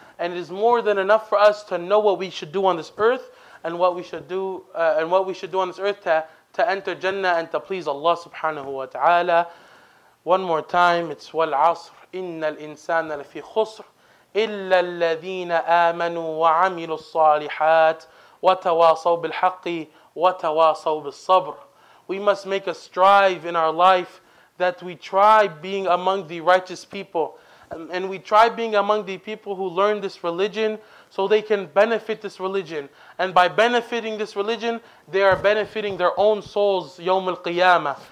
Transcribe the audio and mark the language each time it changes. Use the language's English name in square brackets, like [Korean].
[English] And it is more than enough for us to know what we should do on this earth and what we should do to enter Jannah and to please Allah subhanahu wa ta'ala. One more time, it's [Arabic] Wal-Asr, Innal Insana Lafi Khusr. إلا الذين آمنوا وعملوا الصالحات وتواصوا بالحق وتواصوا بالصبر. [English] We must make a strive in our life that we try being among the righteous people, and we try being among the people who learn this religion so they can benefit this religion. And by benefiting this religion, they are benefiting their own souls [Arabic] يوم القيامة.